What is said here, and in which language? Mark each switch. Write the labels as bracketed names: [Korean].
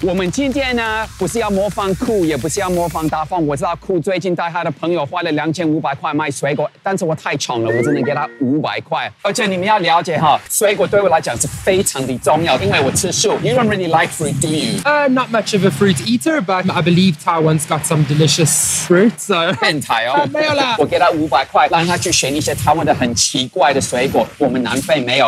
[Chinese] 我们今天呢，不是要模仿酷，也不是要模仿大方。我知道酷最近带他的朋友花了2500块卖水果，但是我太穷了，我只能给他500块。而且你们要了解哈，水果对我来讲是非常的重要，因为我吃素。 [English] You don't really like fruit, do you? Not much of a fruit eater, but I believe Taiwan's got some delicious fruits. So. [Chinese] 变态哦。没有啦。我给他500块。让他去选一些台湾的很奇怪的水果，我们南非没有。